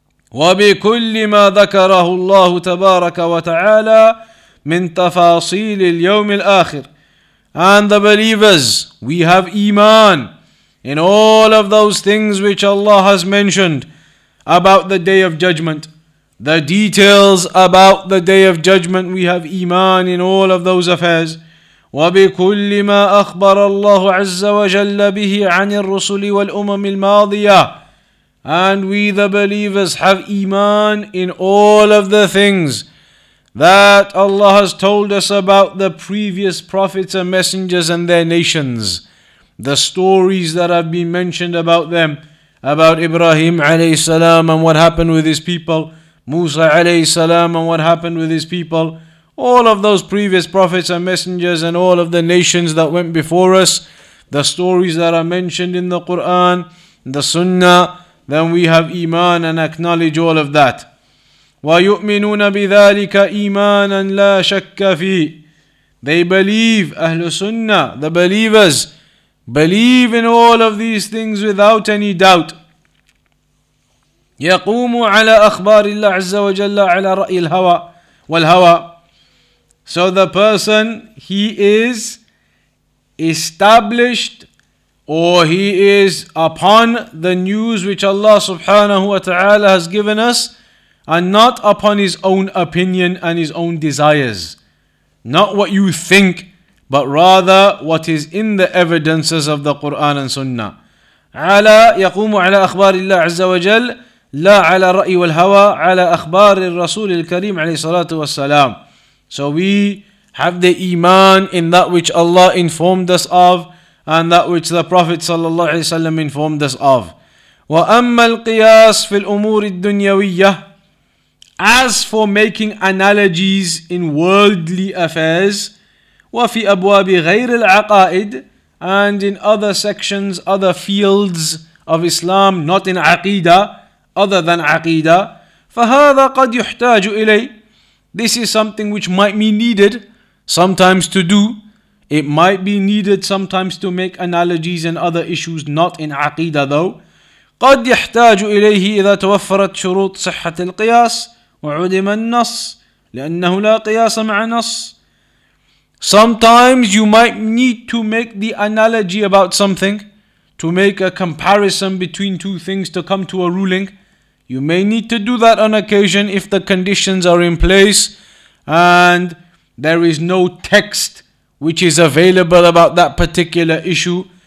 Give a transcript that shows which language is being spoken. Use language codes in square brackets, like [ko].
[ar] وَبِكُلِّ مَا ذَكَرَهُ اللَّهُ تَبَارَكَ وَتَعَالَى مِنْ تَفَاصِيلِ الْيَوْمِ الْآخِرِ. [en] And the believers, we have iman in all of those things which Allah has mentioned about the Day of Judgment. The details about the Day of Judgment, we have iman in all of those affairs. [ar] وبكل ما أخبر الله عز وجل به عن الرسل والأمم الماضية. [en] And we the believers have iman in all of the things that Allah has told us about the previous prophets and messengers and their nations, the stories that have been mentioned about them, about Ibrahim عليه السلام and what happened with his people, Musa عليه السلام and what happened with his people, all of those previous prophets and messengers and all of the nations that went before us, the stories that are mentioned in the Quran, the Sunnah, then we have iman and acknowledge all of that. [ar] وَيُؤْمِنُونَ بِذَٰلِكَ إِيمَانًا لَا شَكَّ فِيهِ. [en] They believe, Ahlul Sunnah, the believers, Believe in all of these things without any doubt. [ar] يقوم على أخبار الله عز وجل على رأي الهوى والهوى. [en] So the person, he is established, or he is upon the news which Allah subhanahu wa ta'ala has given us, and not upon his own opinion and his own desires. Not what you think, but rather what is in the evidences of the Quran and Sunnah. [ar] على يقوم على أخبار الله عز وجل لا على رأي والهوى على أخبار الرسول الكريم عليه الصلاة والسلام. [en] So we have the iman in that which Allah informed us of, and that which the Prophet صلى الله عليه وسلم informed us of. [ar] وأما القياس في الأمور الدنيوية. [en] As for making analogies in worldly affairs, [ar] وفي أبواب غير العقائد, [en] and in other sections, other fields of Islam, not in عقيدة, other than عقيدة, [ar] فهذا قد يحتاج إليه. [en] This is something which might be needed sometimes to do. It might be needed sometimes to make analogies and other issues, not in عقيدة though. [ar] قد يحتاج إليه إذا توفرت شروط صحة القياس وعدم النص لأنه لا قياس مع نص. [en] Sometimes you might need to make the analogy about something, to make a comparison between two things to come to a ruling. You may need to do that on occasion if the conditions are in place and there is no text which is available about that particular issue.